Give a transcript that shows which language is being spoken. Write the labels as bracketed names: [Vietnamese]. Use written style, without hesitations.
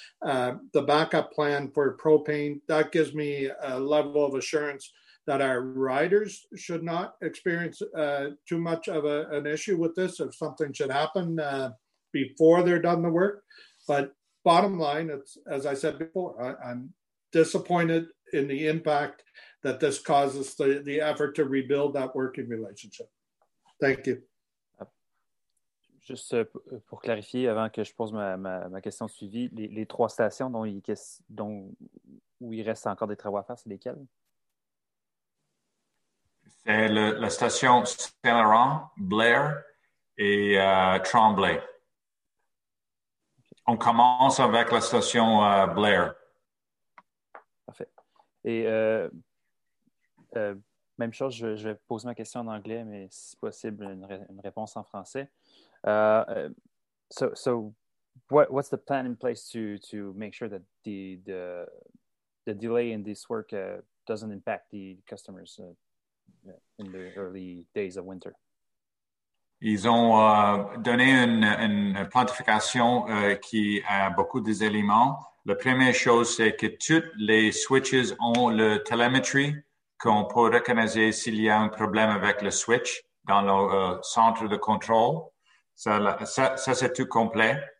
[English] The backup plan for propane, that gives me a level of assurance that our riders should not experience too much of an issue with this if something should happen before they're done the work. But bottom line, it's as I said before, I'm disappointed in the impact that this causes the effort to rebuild that working relationship. Thank you. [French] Juste pour clarifier, avant que je pose ma question de suivi, les trois stations où il reste encore des travaux à faire, c'est lesquelles? C'est la station Saint-Laurent, Blair et Tremblay. On commence avec la station Blair. Parfait. Et même chose, je vais poser ma question en anglais, mais si possible, une réponse en français. [English] So what's the plan in place to make sure that the delay in this work doesn't impact the customers in the early days of winter? [French] Ils ont donné une planification qui a beaucoup d'éléments. La première chose, c'est que toutes les switches ont le telemetry qu'on peut reconnaître s'il y a un problème avec le switch dans le centre de contrôle. Ça, c'est tout complet.